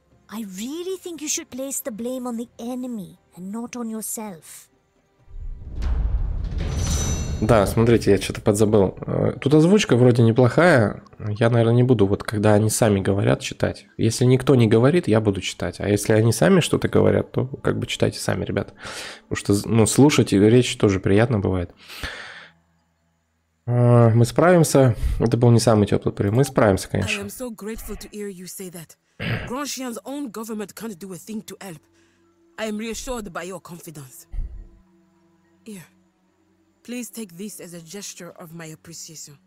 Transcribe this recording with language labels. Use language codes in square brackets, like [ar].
[en] I really think you should place the blame on the enemy and not on yourself. [ru] Да, смотрите, я что-то подзабыл. Тут озвучка вроде неплохая. Я, наверное, не буду, вот когда они сами говорят, читать. Если никто не говорит, я буду читать. А если они сами что-то говорят, то как бы читайте сами, ребят. Потому что, ну, слушать речь тоже приятно бывает. Мы справимся. Это был не самый теплый прием. Мы справимся, конечно. [en] I am so grateful to hear you say that. Grandchian's own government can't do a thing to help. I am reassured by your confidence. Here, please take this as a gesture of my appreciation.